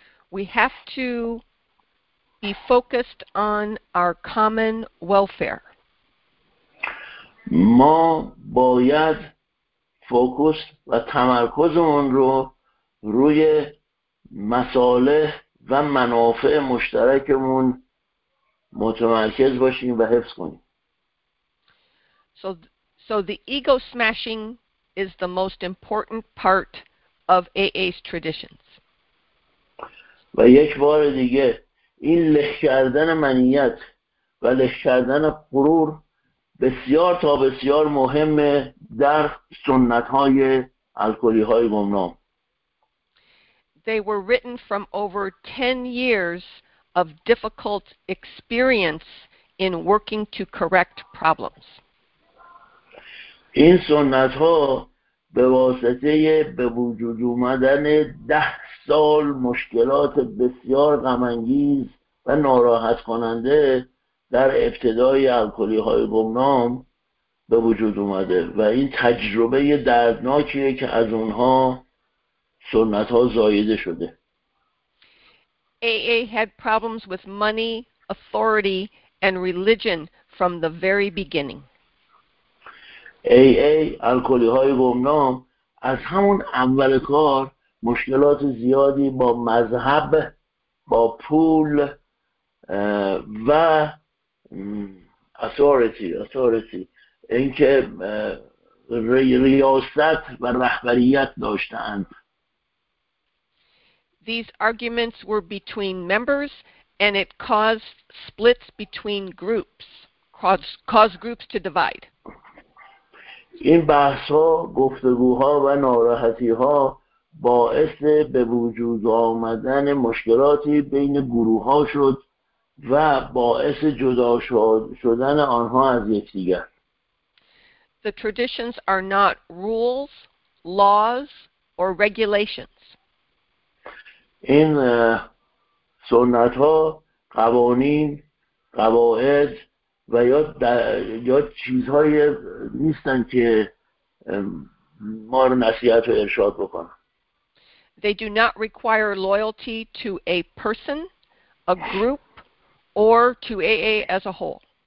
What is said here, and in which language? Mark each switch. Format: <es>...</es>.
<en>We have to be focused on our common welfare.</en> <fa>ما باید فوکوس و تمرکزمون رو روی مصالح و منافع مشترکمون متمرکز باشیم و حفظ کنیم.</fa> <en>So the ego smashing is the most important part of AA's traditions.</en> <fa>و یک بار دیگه این له کردن منیت و له کردن غرور بسیار تا بسیار مهمه در سنت های الکلی های گمنام.</fa> <en>They were written from over 10 years of difficult experience in working to correct problems.</en> <fa>این سنت ها به واسطه به وجود اومدن 10 سال مشکلات بسیار غم‌انگیز و ناراحت کننده در ابتدای الکلی های گمنام به وجود اومده و این تجربه دردناکیه که از اونها سنت ها زایده شده.</fa> <en>AA had problems with money, authority and religion from the very beginning.</en> <fa>AA الکلی های گمنام از همون اول کار مشکلات زیادی با مذهب، با پول و authority این که ریاست و رهبریت داشتند.</fa> <en>These arguments were between members and it caused splits between groups, caused groups to divide.</en> <fa>این بحث ها، گفتگوها و ناراحتی ها باعث به وجود آمدن مشکلاتی بین گروه ها شد و باعث جدا شدن آنها از یکدیگر.</fa> <en>The traditions are not rules, laws, or regulations.</en> <fa>این سنت ها قوانین، قواعد و یا چیزهای نیستن که ما رو نصیحت و ارشاد بکنن.</fa> <en>They do not require loyalty to a person, a group, or to AA as a whole.</en>